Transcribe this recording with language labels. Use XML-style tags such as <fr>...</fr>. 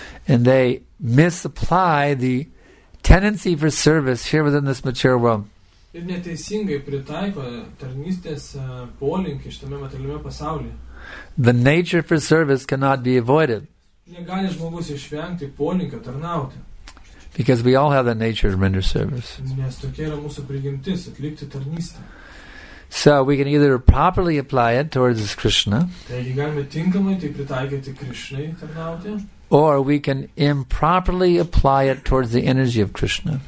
<en>And they misapply the tendency for service here within this material world.</en> <lt>Ir neteisingai pritaiko tarnystės polinkį šitame materialiame pasaulyje.</lt> <en>The nature for service cannot be avoided.</en> <lt>Negali žmogus išvengti polinkio tarnauti.</lt> <en>Because we all have the nature to render service.</en> <lt>Nes tokia yra mūsų prigimtis atlikti tarnystę.</lt> <en>So we can either properly apply it towards Krishna.</en> <lt>Taigi galime tinkamai tai pritaikyti Krishnai tarnauti.</lt> <en>Or we can improperly apply it towards the energy of Krishna.</en>